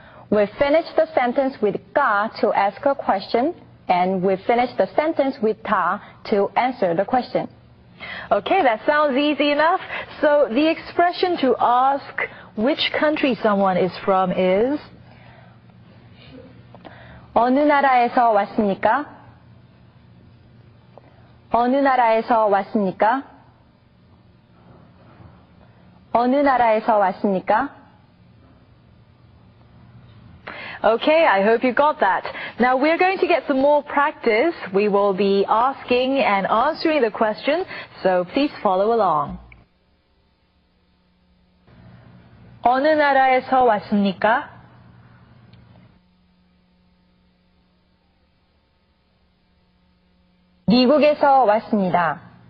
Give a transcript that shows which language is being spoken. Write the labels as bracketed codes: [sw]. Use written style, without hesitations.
[en] We finish the sentence with 가 to ask a question, and we finish the sentence with 다 to answer the question. Okay, that sounds easy enough. So the expression to ask which country someone is from is [ko] 어느 나라에서 왔습니까? 어느 나라에서 왔습니까? 어느 나라에서 왔습니까? [en] Okay, I hope you got that. Now we're going to get some more practice. We will be asking and answering the question, so please follow along. [ko] 어느 나라에서 왔습니까? 미국에서 왔습니다.